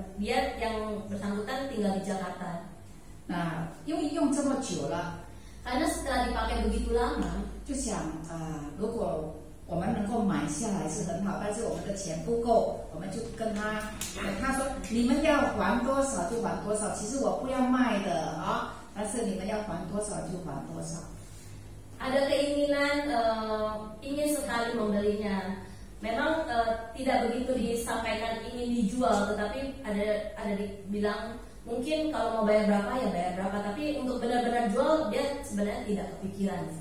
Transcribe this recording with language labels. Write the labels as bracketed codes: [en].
[id] Dia yang bersangkutan tinggal di Jakarta. [zh] Nah, 因为用这么久了, [id] karena setelah dipakai begitu lama, [zh] 就想, 如果我们能够买下来是很好, 但是我们的钱不够, 我们就跟他, 他说, 你们要还多少就还多少, 其实我不要卖的, 哦, 但是你们要还多少就还多少。 [id] Ada keinginan ingin sekali membelinya. Memang tidak begitu disampaikan ingin dijual, tetapi ada dibilang mungkin kalau mau bayar berapa ya bayar berapa, tapi untuk benar-benar jual dia sebenarnya tidak kepikiran.